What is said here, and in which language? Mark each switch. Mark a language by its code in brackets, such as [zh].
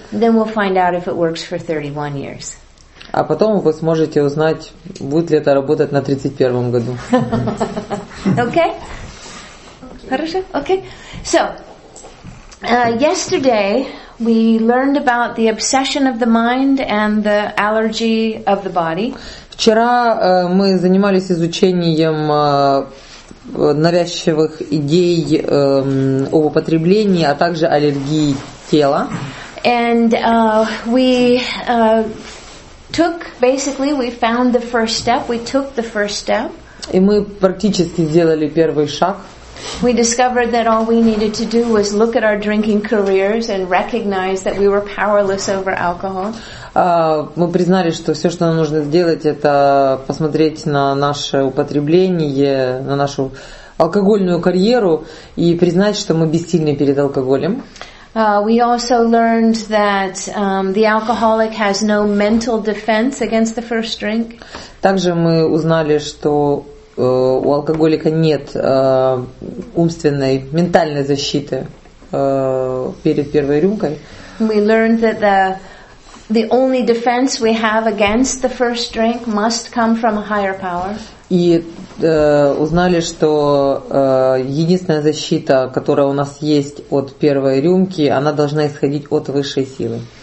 [en] Then we'll find out if it works for 31 years. [ru] А потом вы сможете узнать, будет ли это работать на 31-м году. [en] Okay? [ru] Хорошо? [en] Okay. So, yesterday we learned about the obsession of the mind and the allergy of the body. [ru] Вчера мы занимались изучением навязчивых идей об употреблении, а также аллергии тела. [en] And we found the first step. [ru] И мы практически сделали первый шаг. [en] We discovered that all we needed to do was look at our drinking careers and recognize that we were powerless over alcohol. [ru] Мы признали, что все, что нам нужно сделать, это посмотреть на наше употребление, на нашу алкогольную карьеру и признать, что мы бессильны перед алкоголем. [en] We also learned that the alcoholic has no mental defense against the first drink. [ru] Также мы узнали, что у алкоголика нет умственной, ментальной защиты перед первой рюмкой. [en] We learned that the only defense we have against the first drink must come from a higher power. [ru] И узнали, что единственная защита, которая у нас есть от первой рюмки, она должна исходить от высшей силы.